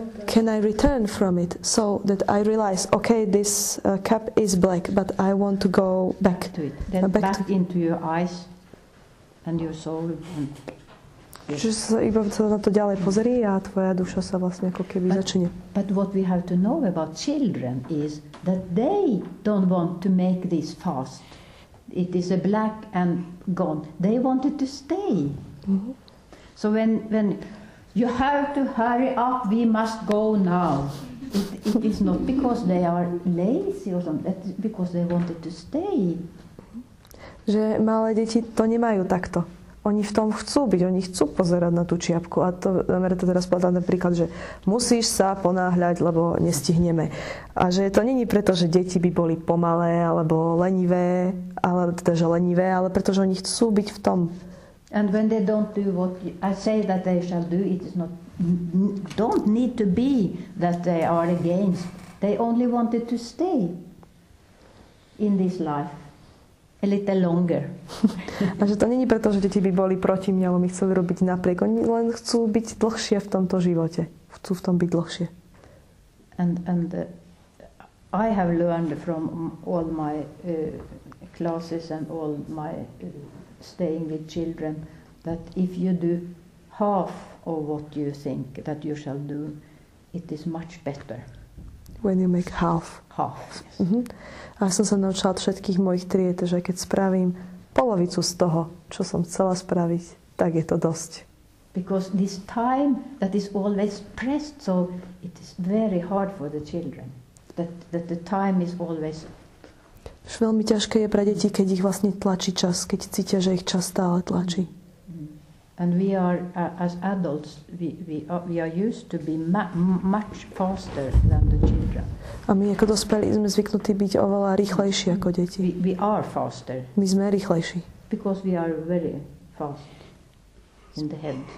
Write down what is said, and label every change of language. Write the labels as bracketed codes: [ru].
[en] Can I return from it so that I realize, okay, this cap is black, but I want to go back to it. Then back into your eyes and your soul. [sk] Čiže sa iba na to ďalej pozrí a tvoja duša sa vlastne ako keby začne. [en] But what we have to know about children is that they don't want to make this fast. It is a black and gone. They wanted to stay. Mm-hmm. So when you have to hurry up, we must go now. It is not because they are lazy or something, that's because they wanted to stay. [sk] Že malé deti to nemajú takto. Oni v tom chcú byť, oni chcú pozerať na tú čiapku. A to Merita teraz povedal ten príklad, že musíš sa ponáhľať, lebo nestihneme. A že to není preto, že deti by boli pomalé alebo lenivé, ale teda že lenivé, ale pretože oni chcú byť v tom. [en] And when they don't do what I say that they shall do, it is not don't need to be that they are against. They only wanted to stay in this life. A little longer. [sk] A že to není preto, že deti by boli proti mne, alebo mi chceli robiť napriek. Oni len chcú byť dlhšie v tomto živote. Chcú v tom byť dlhšie. [en] And I have learned from all my classes and all my staying with children that if you do half of what you think that you shall do, it is much better. When you make half. Half, yes. Mm-hmm. [sk] A som sa naučila od všetkých mojich tried, že keď spravím polovicu z toho, čo som chcela spraviť, tak je to dosť. [en] Because this time that is always pressed, so it is very hard for the children. That the time is always... [sk] Už veľmi ťažké je pre deti, keď ich vlastne tlačí čas, keď cítia, že ich čas stále tlačí. [en] And we are, as adults, we are used to be much faster than the children. [sk] A my ako dospelí sme zvyknutí byť oveľa rýchlejší ako deti. [en] We are faster. [sk] My sme rýchlejší. [en] Because we are very fast in the head.